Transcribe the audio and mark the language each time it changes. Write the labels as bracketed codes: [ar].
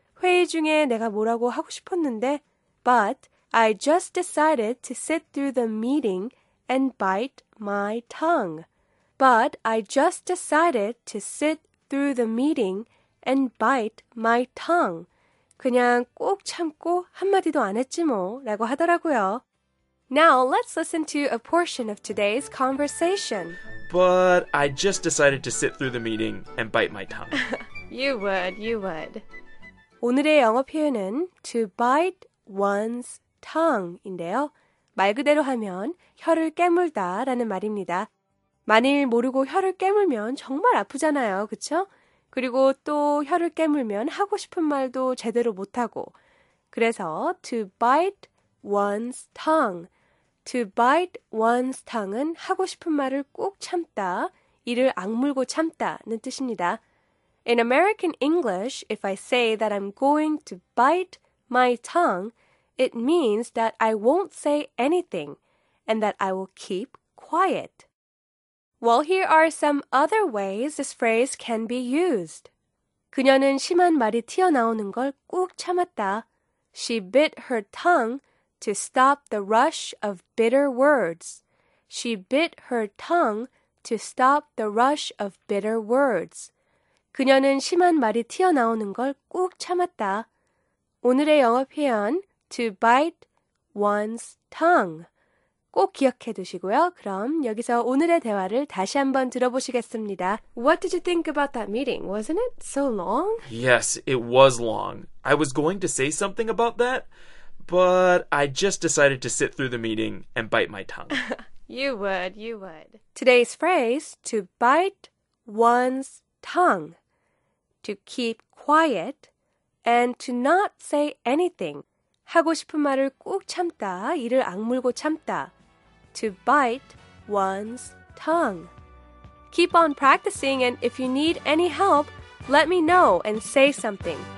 [en] 회의 중에 내가 뭐라고 하고 싶었는데, but I just decided to sit through the meeting and bite my tongue. But I just decided to sit through the meeting and bite my tongue. [ko] 그냥 꼭 참고 한마디도 안 했지 뭐 라고 하더라고요. [en] Now let's listen to a portion of today's conversation. But I just decided to sit through the meeting and bite my tongue. You would. [ko] 오늘의 영어 표현은 to bite one's tongue인데요. 말 그대로 하면 혀를 깨물다 라는 말입니다. 만일 모르고 혀를 깨물면 정말 아프잖아요. 그쵸? 그리고 또 혀를 깨물면 하고 싶은 말도 제대로 못하고 그래서 to bite one's tongue. To bite one's tongue은 하고 싶은 말을 꼭 참다, 이를 악물고 참다는 뜻입니다. [en] In American English, if I say that I'm going to bite my tongue, it means that I won't say anything and that I will keep quiet. Well, here are some other ways this phrase can be used. [ko] 그녀는 심한 말이 튀어나오는 걸 꾹 참았다. [en] She bit her tongue to stop the rush of bitter words. She bit her tongue to stop the rush of bitter words. [ko] 그녀는 심한 말이 튀어나오는 걸 꾹 참았다. 오늘의 영어 표현, to bite one's tongue. 꼭 기억해 두시고요. 그럼 여기서 오늘의 대화를 다시 한번 들어보시겠습니다. [en] What did you think about that meeting? Wasn't it so long? Yes, it was long. I was going to say something about that, but I just decided to sit through the meeting and bite my tongue. You would. Today's phrase, to bite one's tongue, to keep quiet, and to not say anything. [ko] 하고 싶은 말을 꼭 참다, 이를 악물고 참다. [en] To bite one's tongue. Keep on practicing, and if you need any help, let me know and say something.